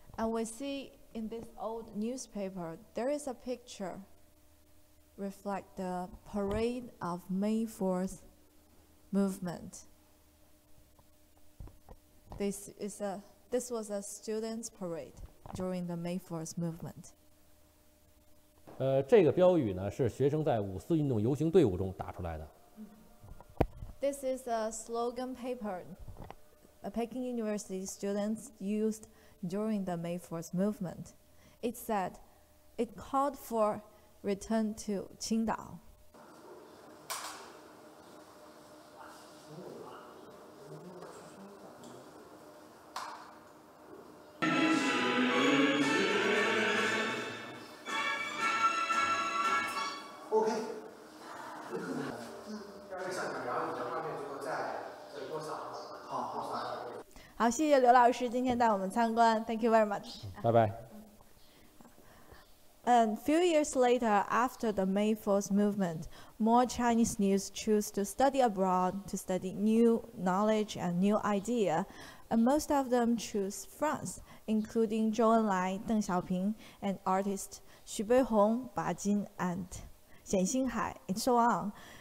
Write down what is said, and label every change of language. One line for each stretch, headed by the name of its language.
English: we see in this old newspaper, there is a picture reflect the parade of May 4th movement. This was a student's parade during the May 4th movement.
Chinese: 这个标语呢是学生在五四运动游行队伍中打出来的。
English: This is a slogan paper a Peking University students used during the May 4th movement. It said, it called for return to Qingdao.
Chinese: 好，谢谢刘老师今天带我们参观。
English: Thank you very much. Bye bye. And few years later, after the May 4th movement, more Chinese youths choose to study abroad to study new knowledge and new idea, and most of them choose France, including Zhou Enlai, Deng Xiaoping, and artists Xu Beihong, Ba Jin, and Xian Xinghai, and so on.